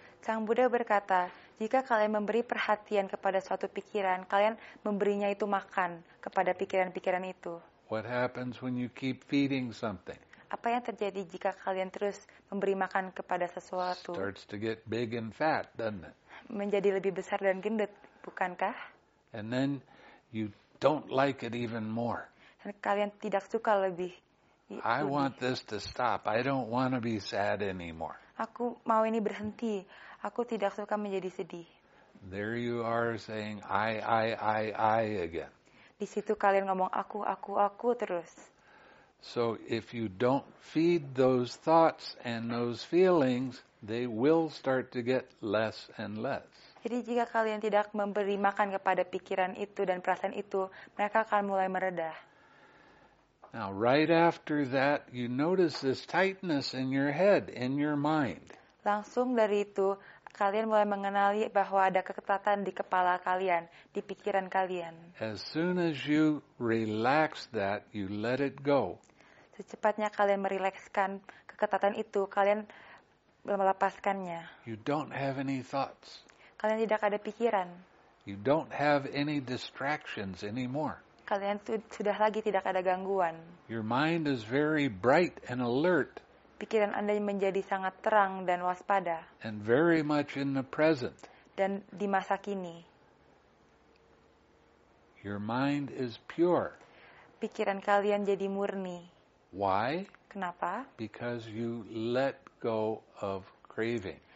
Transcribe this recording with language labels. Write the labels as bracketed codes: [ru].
[id] Sang Buddha berkata, jika kalian memberi perhatian kepada suatu pikiran, kalian memberinya itu makan kepada pikiran-pikiran itu. [en] What happens when you keep feeding something? [id] Apa yang terjadi jika kalian terus memberi makan kepada sesuatu? [en] Starts to get big and fat, doesn't it? [id] Menjadi lebih besar dan gendut, bukankah? [en] And then you don't like it even more. [id] Dan kalian tidak suka lebih. [en] I want this to stop. I don't want to be sad anymore. [id] Aku mau ini berhenti. Aku tidak suka menjadi sedih. [en] There you are saying I again. [id] Di situ kalian ngomong aku terus. [en] So if you don't feed those thoughts and those feelings, they will start to get less and less. [id] Jadi jika kalian tidak memberi makan kepada pikiran itu dan perasaan itu, mereka akan mulai meredah. [en] Now right after that, you notice this tightness in your head, in your mind. [id] Langsung dari itu, kalian mulai mengenali bahwa ada keketatan di kepala kalian, di pikiran kalian. [en] As soon as you relax that, you let it go. [id] Secepatnya kalian merilekskan keketatan itu, kalian melepaskannya. [en] You don't have any thoughts. [id] Kalian tidak ada pikiran. [en] You don't have any distractions anymore. [id] Kalian sudah lagi tidak ada gangguan. [en] Your mind is very bright and alert. [id] pikiran Anda menjadi sangat terang dan waspada. [en] And very much in the present. [id] Dan di masa kini. [en] Your mind is pure. [id] Pikiran kalian jadi murni. [en] Why? [id] Kenapa? [en] Because you let go of craving.